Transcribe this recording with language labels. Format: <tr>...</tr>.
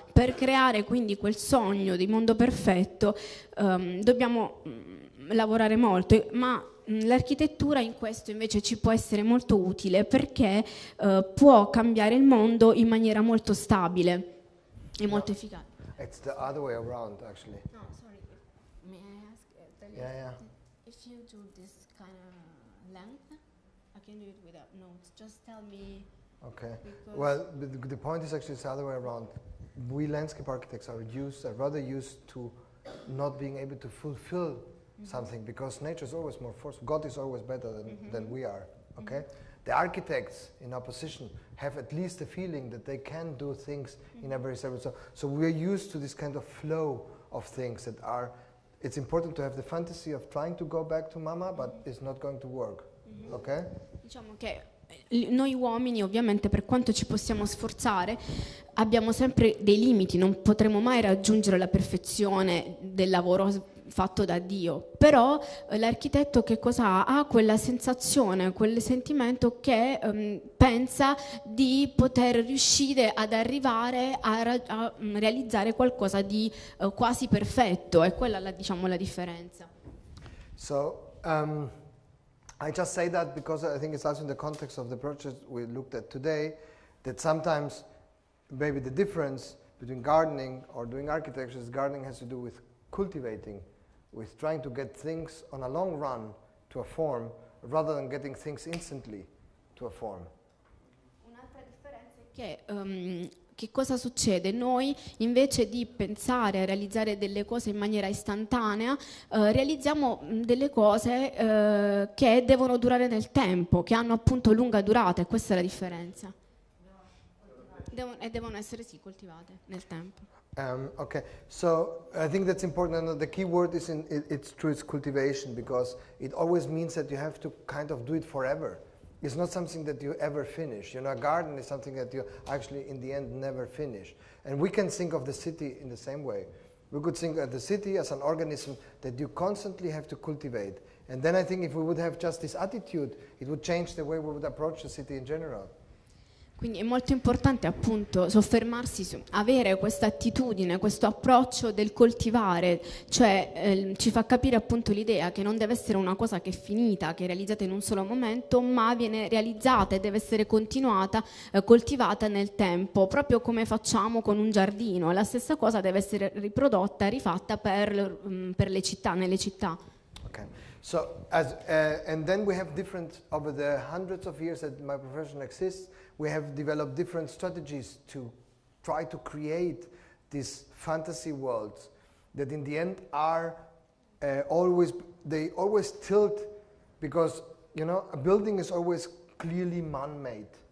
<it>Per creare quindi quel sogno di mondo perfetto dobbiamo lavorare molto, ma l'architettura in questo invece ci può essere molto utile, perché può cambiare il mondo in maniera molto stabile e molto efficace.</it> <en>It's the other way around, actually. No, sorry. May I ask? If you do this kind of length, I can do it without notes. Just tell me. Okay. Well, the point is actually the other way around. We landscape architects are rather used to not being able to fulfill something, because nature is always more forceful. God is always better than we are. Okay. Mm-hmm. The architects, in opposition, have at least the feeling that they can do things in a very stable. So we are used to this kind of flow of things that are. It's important to have the fantasy of trying to go back to mama, but it's not going to work. Okay.</en> <it>Diciamo che noi uomini, ovviamente, per quanto ci possiamo sforzare, abbiamo sempre dei limiti, non potremo mai raggiungere la perfezione del lavoro fatto da Dio. Però l'architetto che cosa ha? Ha quella sensazione, quel sentimento che pensa di poter riuscire ad arrivare a realizzare qualcosa di quasi perfetto. È quella la differenza.</it> <en>So, I just say that because I think it's also in the context of the project we looked at today, that sometimes maybe the difference between gardening or doing architecture is gardening has to do with cultivating, with trying to get things on a long run to a form, rather than getting things instantly to a form.</en> <it>Un'altra differenza è che che cosa succede? Noi, invece di pensare a realizzare delle cose in maniera istantanea, realizziamo delle cose che devono durare nel tempo, che hanno appunto lunga durata, e questa è la differenza. Devono essere, sì, coltivate nel tempo.</it> <en>Okay, so I think that's important. The key word is it's cultivation, because it always means that you have to kind of do it forever. It's not something that you ever finish. You know, a garden is something that you actually, in the end, never finish. And we can think of the city in the same way. We could think of the city as an organism that you constantly have to cultivate. And then I think if we would have just this attitude, it would change the way we would approach the city in general.</en> <it>Quindi è molto importante appunto soffermarsi su avere questa attitudine, questo approccio del coltivare, cioè ci fa capire appunto l'idea che non deve essere una cosa che è finita, che è realizzata in un solo momento, ma viene realizzata e deve essere continuata, coltivata nel tempo, proprio come facciamo con un giardino. La stessa cosa deve essere riprodotta, rifatta per le città, nelle città.</it> <en>Okay. So as and then we have different over the hundreds of years that my profession exists, we have developed different strategies to try to create these fantasy worlds that in the end are always tilt, because you know a building is always clearly man-made.</en>